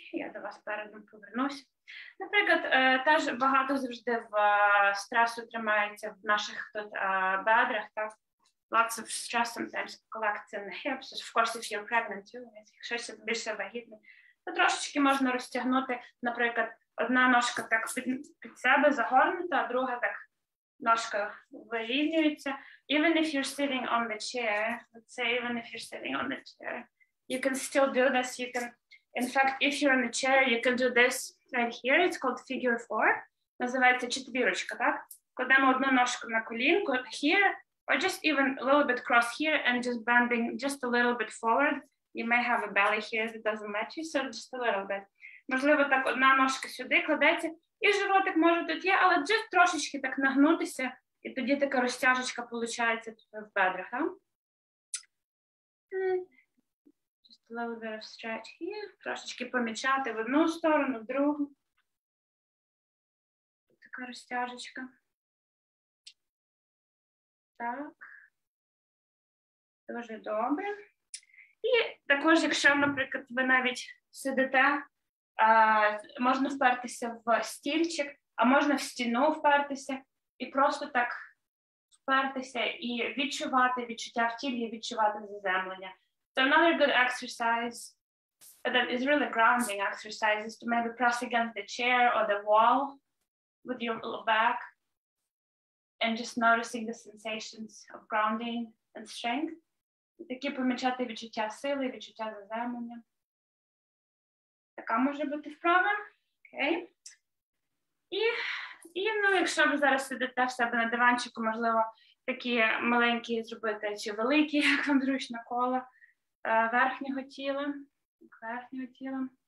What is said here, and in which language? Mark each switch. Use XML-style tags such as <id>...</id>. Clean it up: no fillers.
<uk>Я до вас передом повернуся. Наприклад, теж багато завжди в стресу тримається в наших тут бедрах, так?</uk> <en>Lots of stress sometimes collects in the hips, of course, if you're pregnant too,</en> <uk>якщо це більше вагітне, то трошечки можна розтягнути, наприклад, одна ножка так під себе загорнута, а друга так ножка вирівнюється.</uk> <en>Even if you're sitting on the chair, let's say even if you're sitting on the chair, you can still do this. You can, in fact, if you're on the chair, you can do this right here. It's called figure four.</en> <uk>Називається четвірочка, так? Кладемо одну ножку на колінку</uk> <en>here, or just even a little bit cross here and just bending just a little bit forward. You may have a belly here that doesn't match you, so just a little bit.</en> <uk>Можливо, так одна ножка сюди кладеться, і животик може тут є, але just трошечки так нагнутися, і тоді така розтяжечка получається тут в бедрах.</uk> <en>Just a little bit of stretch here.</en> <uk>Трошечки помічати в одну сторону, в другу. Така розтяжечка. Так. Дуже добре. І також, якщо, наприклад, ви навіть сидите, можна впертися в стільчик, а можна в стіну впертися і просто так впертися і відчувати відчуття в тілі, відчувати заземлення.</uk> <en>So another good exercise that is really grounding exercise is to maybe press against the chair or the wall with your low back and just noticing the sensations of grounding and strength.</en> <uk>Такі помічати відчуття сили, відчуття заземлення. Така може бути вправа. Окей. І ну, якщо ви зараз сидите в себе на диванчику, можливо, такі маленькі зробити, чи великі, як вам зручно, коло верхнього тіла. Верхнього тіла.</uk>